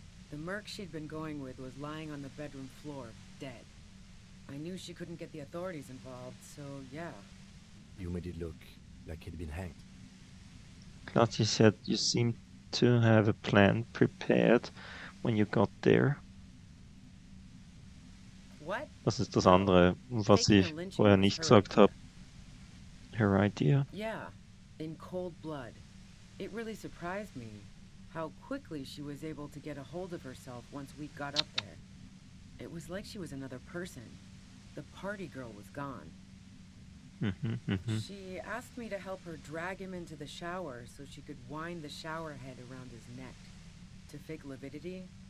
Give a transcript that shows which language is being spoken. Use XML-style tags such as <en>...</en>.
<en>The merc she'd been going with was lying on the bedroom floor, dead. I knew she couldn't get the authorities involved, so yeah. You made it look like he'd been hanged. Klaatje said you seemed to have a plan prepared when you got there. What?</en> <de>Das ist das andere, was ich vorher nicht gesagt habe.</de> <en>Her idea? Yeah, in cold blood. It really surprised me how quickly she was able to get a hold of herself once we got up there. It was like she was another person. The party girl was gone. She asked me to help her drag him into the shower so she could wind the shower head around his neck to fake lividity.</en>